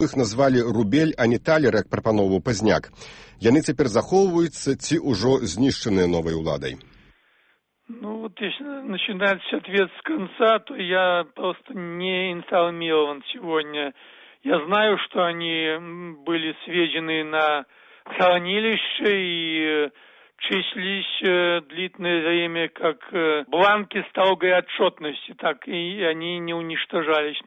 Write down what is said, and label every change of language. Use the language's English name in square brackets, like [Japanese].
[Belarusian] Іх назвалі рубель, а не талер, як прапановував Пазняк. Яны цяпер захоўваюцца ці ўжо знішчаныя новай уладай? [Russian] Ну, вот если начинать ответ с конца, то я просто не информирован сегодня. Я знаю, что они были сведены на хранилище и числись длительное время как бланки строгой отчетности, так и они не уничтожались.